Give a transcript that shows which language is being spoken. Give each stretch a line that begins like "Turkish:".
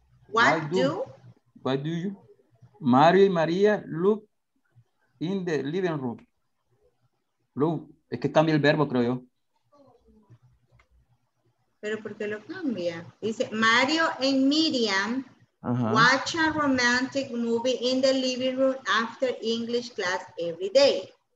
English: Why do you, Mari Maria, look in the living room?
Spanish: Look, es que cambia el verbo, creo yo. Pero ¿por qué lo cambia?
English: Dice, Mario and Miriam watch a romantic movie in the living room after English class every day.